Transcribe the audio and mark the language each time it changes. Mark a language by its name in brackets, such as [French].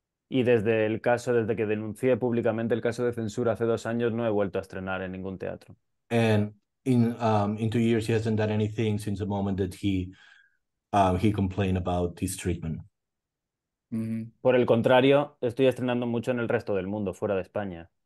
[Spanish] Y desde que denuncié públicamente el caso de censura hace 2 años, no he vuelto a estrenar en ningún teatro. [English] And in 2 years he hasn't done anything since the moment that he complained about his treatment. [Spanish] Por el contrario, estoy estrenando mucho en el resto del mundo, fuera de España.